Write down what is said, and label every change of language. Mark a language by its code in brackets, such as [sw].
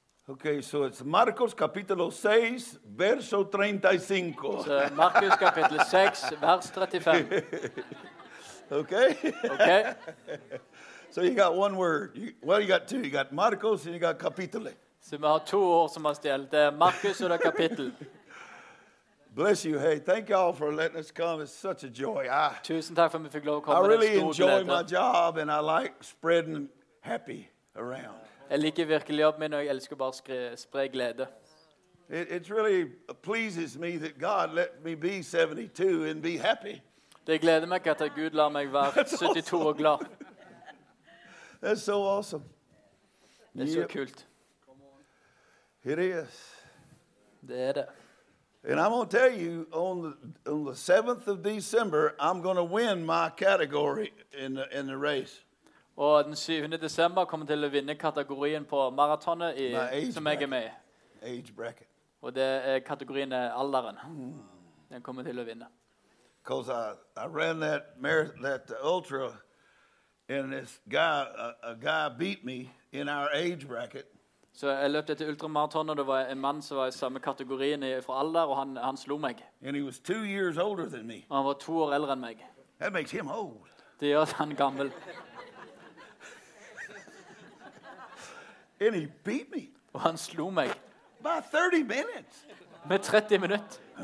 [en] Okay, so it's [es] Marcos capítulo 6, verso 35. Marcos capítulo 6, verso 35. [en] Okay? Okay. So you got one word. Well, you got two. You got Marcos and you got Capitole. [sv] Så vi har två ord som har ställt. Det är Marcus och det är kapitel. [en] Bless you. Hey, thank you all for letting us come. It's such a joy. [sv] Tusen tack för att vi fick lov att komma. [en] I really enjoy my job and I like spreading happy around. [sv] Jag liker verkligen jobbet med och jag älskar bara att sprida glädje. [en] It really pleases me that God let me be 72 and be happy. [sv] Det gläder mig att Gud lät mig vara 72 och glad. [en] That's so awesome. [sv] Det är så kul. [en] It is. [sv] Det är det. [en] And I'm going to tell you, on the 7th of December, I'm going to win my category in the race. [sv] Och den 7 december kommer till att vinna kategorin på maratonet i som jag är med. [en] Age bracket. [sv] Och det är kategorin åldern. Den kommer till att vinna. [en] Because I ran that ultra, and this guy beat me in our age bracket. [sv] Så jag löpte till ultramaraton och det var en man som var i samma kategori för alla och han slog mig. [en] And he was 2 years older than me. [sv] Han var 2 år äldre än mig. [en] That makes him old. [sv] Det gör han gammal. [en] And he beat me. [sv] Och han slog mig. [en] By 30 minutes. [sv] Med 30 minuter.